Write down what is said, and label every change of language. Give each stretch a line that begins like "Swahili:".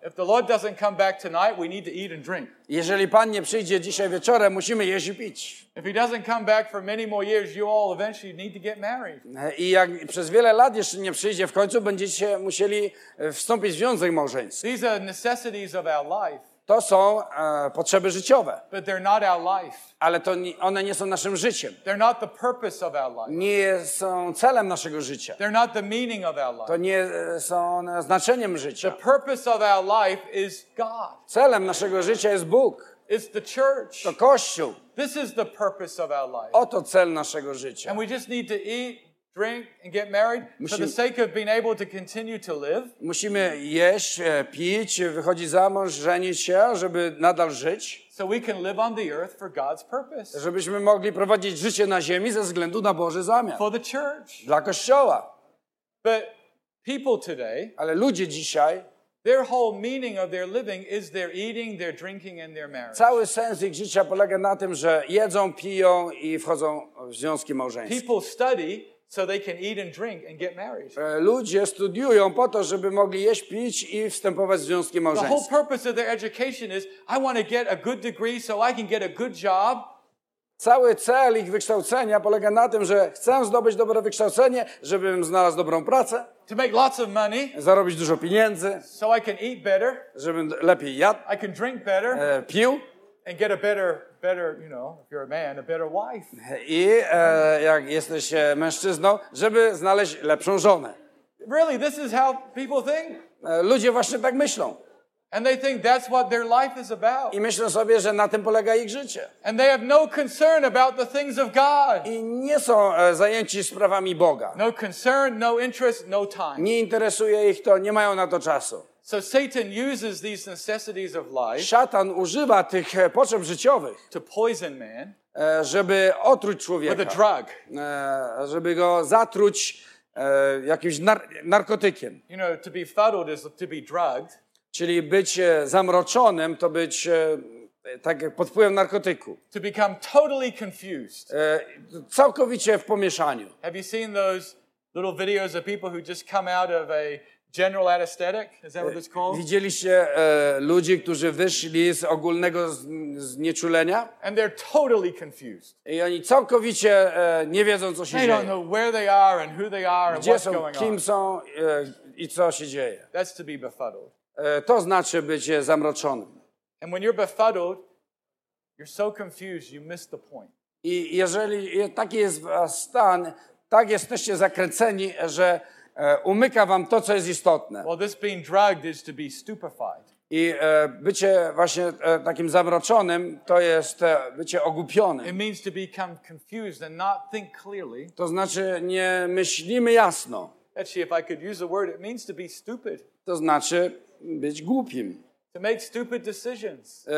English: If the Lord doesn't come back tonight, we need to eat and drink.
Polish: Jeżeli Pan nie przyjdzie dzisiaj wieczorem, musimy jeść i pić.
English: If he doesn't come back for many more years, you all eventually need to get married.
Polish: I jak przez wiele lat jeszcze nie przyjdzie, w końcu będziecie musieli wstąpić w związek małżeński.
English: These are necessities of our life.
Polish: To są potrzeby życiowe.
English: But they're not our life.
Polish: Ale to one nie są naszym życiem.
English: They're not the purpose of our life.
Polish: Nie są celem naszego życia.
English: They're not the meaning of our life.
Polish: To nie są one znaczeniem życia.
English: The purpose of our life is God.
Polish: Celem naszego życia jest Bóg.
English: It's the church.
Polish: To Kościół.
English: This is the purpose of our life.
Polish: Oto cel naszego życia.
English: And we just need to eat, drink and get married for the sake of being able to continue to live.
Polish: Musimy jeść, pić, wychodzić za mąż, żenić się, żeby nadal żyć.
English: So we can live on the earth for God's purpose.
Polish: Żebyśmy mogli prowadzić życie na ziemi ze względu na Boży zamiar.
English: For the church.
Polish: Dla Kościoła.
English: But people today,
Polish: ale ludzie dzisiaj,
English: their whole meaning of their living is their eating, their drinking and their marriage.
Polish: Cały sens ich życia polega na tym, że jedzą, piją i wchodzą w związki małżeńskie.
English: People study so they can eat and drink and get married.
Polish: Ludzie studiują po to, żeby mogli jeść, pić i wstępować w związki małżeńskie.
English: The whole purpose of their education is I want to get a good degree so I can get a good job.
Polish: Cały cel ich wykształcenia polega na tym, że chcę zdobyć dobre wykształcenie, żebym znalazł dobrą pracę.
English: To make lots of money.
Polish: Zarobić dużo pieniędzy.
English: So I can eat better.
Polish: Żebym lepiej jadł.
English: I can drink better.
Polish: Pił.
English: And get a better, you know, if you're a man, a better wife.
Polish: I jak jesteś mężczyzną, żeby znaleźć lepszą żonę.
English: Really, this is how people think?
Polish: Ludzie właśnie tak myślą.
English: And they think that's what their life is about.
Polish: I myślą sobie, że na tym polega ich życie.
English: And they have no concern about the things of God.
Polish: I nie są zajęci sprawami Boga.
English: No concern, no interest, no time.
Polish: Nie interesuje ich to, nie mają na to czasu.
English: So Satan uses these necessities of life.
Polish: Szatan używa tych potrzeb życiowych.
English: To poison man.
Polish: Żeby otruć człowieka.
English: With a drug.
Polish: Żeby go zatruć jakimś narkotykiem.
English: You know, to be fuddled is to be drugged.
Polish: Czyli być zamroczonym to być tak jak pod wpływem narkotyku.
English: To become totally confused.
Polish: Całkowicie w pomieszaniu.
English: Have you seen those little videos of people who just come out of a general anesthetic? Is that what it's called?
Polish: Widzieliście ludzi, którzy wyszli z ogólnego znieczulenia?
English: And they're totally confused.
Polish: I oni całkowicie nie wiedzą, co się
English: they
Polish: dzieje.
English: They don't know where they are and who they are
Polish: gdzie
English: and what's
Polish: są,
English: going on.
Polish: Gdzie są, kim są i co się dzieje.
English: That's to be befuddled.
Polish: To znaczy być zamroczonym.
English: And when you're befuddled, you're so confused, you miss the point.
Polish: I jeżeli taki jest stan, tak jesteście zakręceni, że umyka wam to, co jest istotne.
English: Well, this being drugged is to be stupefied.
Polish: I bycie właśnie takim zamroczonym, to jest bycie ogłupionym.
English: It means to become confused and not think clearly.
Polish: To znaczy nie myślimy jasno.
English: Actually, if I could use a word, it means to be stupid.
Polish: To znaczy być głupim.
English: To make stupid decisions.